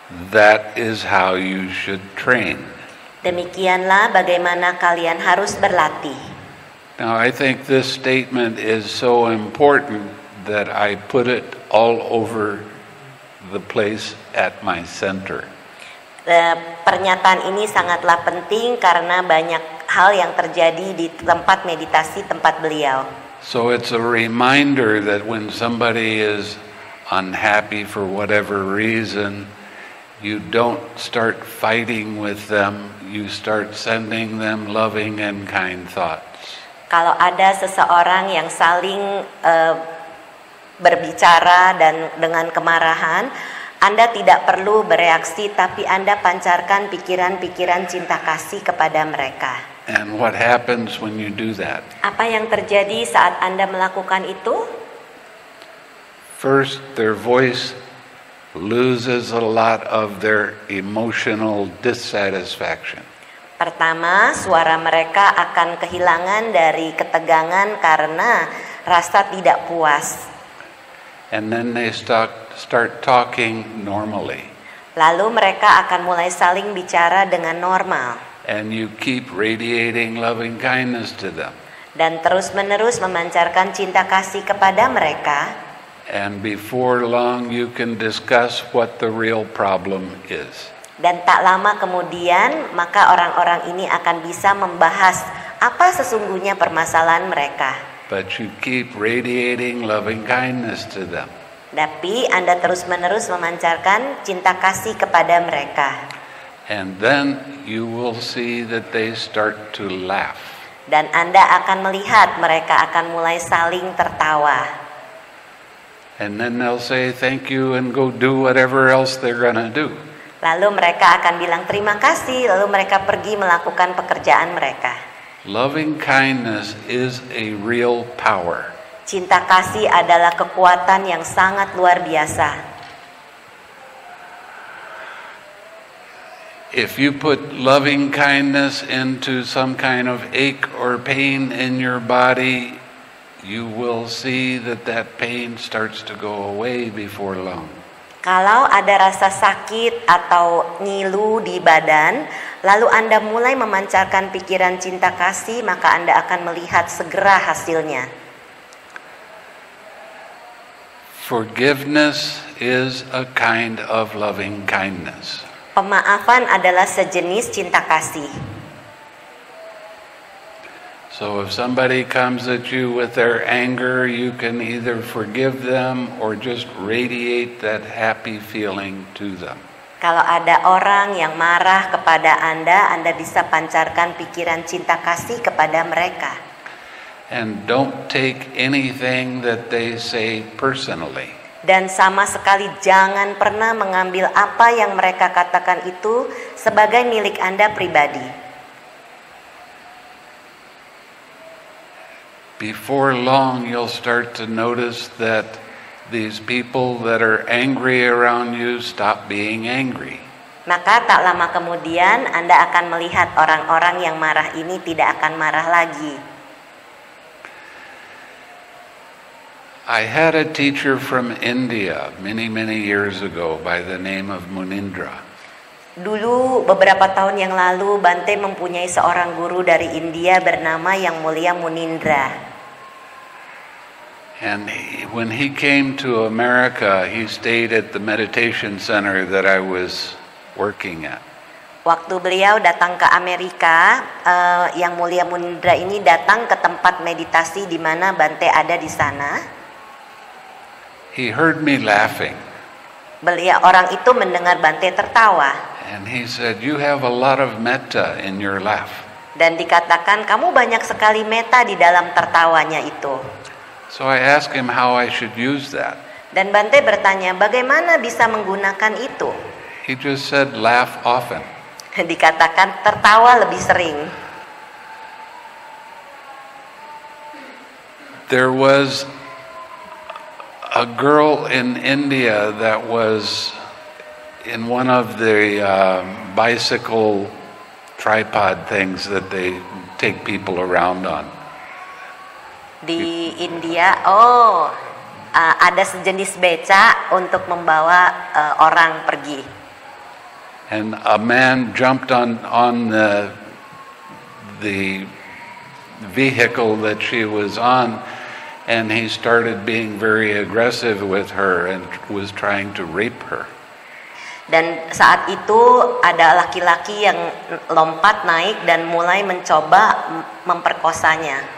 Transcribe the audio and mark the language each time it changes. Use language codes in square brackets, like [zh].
[en] That is how you should train. [id] Demikianlah bagaimana kalian harus berlatih. [en] Now I think this statement is so important that I put it all over the place at my center. [id] Pernyataan ini sangatlah penting karena banyak hal yang terjadi di tempat meditasi tempat beliau. [en] So it's a reminder that when somebody is unhappy for whatever reason, you don't start fighting with them, you start sending them loving and kind thoughts. [id] Kalau ada seseorang yang saling berbicara dan dengan kemarahan, Anda tidak perlu bereaksi, tapi Anda pancarkan pikiran-pikiran cinta kasih kepada mereka. [en] And what happens when you do that? [id] Apa yang terjadi saat Anda melakukan itu? [en] First, their voice loses a lot of their emotional dissatisfaction. [id] Pertama, suara mereka akan kehilangan dari ketegangan karena rasa tidak puas. [en] And then they start talking normally. [id] Lalu mereka akan mulai saling bicara dengan normal. [en] And you keep radiating loving kindness to them. [id] Dan terus-menerus memancarkan cinta kasih kepada mereka. [en] And before long you can discuss what the real problem is. [id] Dan tak lama kemudian maka orang-orang ini akan bisa membahas apa sesungguhnya permasalahan mereka. [en] But you keep radiating loving kindness to them. [id] Tapi Anda terus-menerus memancarkan cinta kasih kepada mereka. [en] And then you will see that they start to laugh. [id] Dan Anda akan melihat mereka akan mulai saling tertawa. [en] And then they'll say thank you and go do whatever else they're gonna do. [id] Lalu mereka akan bilang terima kasih, lalu mereka pergi melakukan pekerjaan mereka. [en] Loving kindness is a real power. [id] Cinta kasih adalah kekuatan yang sangat luar biasa. [en] If you put loving kindness into some kind of ache or pain in your body, you will see that that pain starts to go away before long. [id] Kalau ada rasa sakit atau ngilu di badan, lalu Anda mulai memancarkan pikiran cinta kasih, maka Anda akan melihat segera hasilnya. [en] Forgiveness is a kind of loving kindness. [id] Pemaafan adalah sejenis cinta kasih. [en] So if somebody comes at you with their anger, you can either forgive them or just radiate that happy feeling to them. [id] Kalau ada orang yang marah kepada Anda, Anda bisa pancarkan pikiran cinta kasih kepada mereka. [en] And don't take anything that they say personally. [id] Dan sama sekali jangan pernah mengambil apa yang mereka katakan itu sebagai milik Anda pribadi. [en] Before long you'll start to notice that these people that are angry around you stop being angry. [id] Maka tak lama kemudian Anda akan melihat orang-orang yang marah ini tidak akan marah lagi. [en] I had a teacher from India many, many years ago by the name of Munindra. [id] Dulu beberapa tahun yang lalu Bante mempunyai seorang guru dari India bernama Yang Mulia Munindra. [en] And when he came to America, he stayed at the meditation center that I was working at. [id] Waktu beliau datang ke Amerika, Yang Mulia Munindra ini datang ke tempat meditasi di mana Bante ada di sana. [en] He heard me laughing. [id] Beliau orang itu mendengar Bante tertawa. [en] And he said, "You have a lot of metta in your laugh." [id] Dan dikatakan kamu banyak sekali metta di dalam tertawanya itu. [en] So I asked him how I should use that. [id] Dan Bante bertanya bagaimana bisa menggunakan itu. [en] He just said laugh often. [id] Dikatakan tertawa lebih sering. [en] There was a girl in India that was in one of the bicycle tripod things that they take people around on. [id] Di India, ada sejenis beca untuk membawa orang pergi. [en] And a man jumped on the vehicle that she was on, and he started being very aggressive with her and was trying to rape her. [id] Dan saat itu ada laki-laki yang lompat naik dan mulai mencoba memperkosanya.